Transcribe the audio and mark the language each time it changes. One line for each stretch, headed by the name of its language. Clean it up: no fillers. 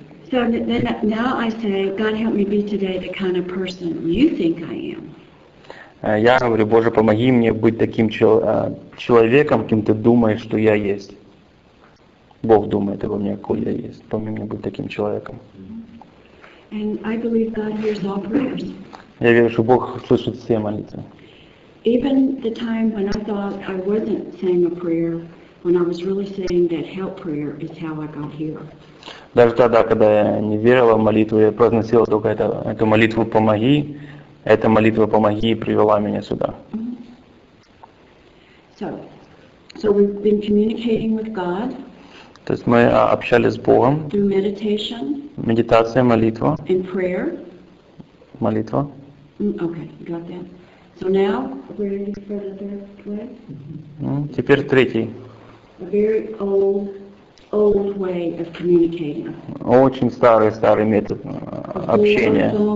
English: So then, now I say, God help me be today the kind of person you think I am.
Russian: Я говорю, Боже, помоги мне быть таким человеком, каким ты думаешь, что я есть. Бог думает обо мне, какой я есть. Помоги мне быть таким человеком.
English: And I believe God hears all prayers.
Russian: Я верю, что Бог слышит все молитвы.
English: Even the time when I thought I wasn't saying a prayer, when I was really saying that help prayer is how I got here.
Russian: Даже тогда, когда я не верила в молитву, я произносила только эту молитву «помоги», эта молитва «помоги» привела меня сюда.
English: So we've been communicating with God.
Russian: То есть мы общались с Богом.
English: Through meditation.
Russian: Медитация, молитва.
English: And prayer.
Russian: Молитва.
English: Okay, got that. So now we're ready for the third way.
Russian: Теперь третий.
English: A very old way of communicating.
Russian: Очень старый метод общения.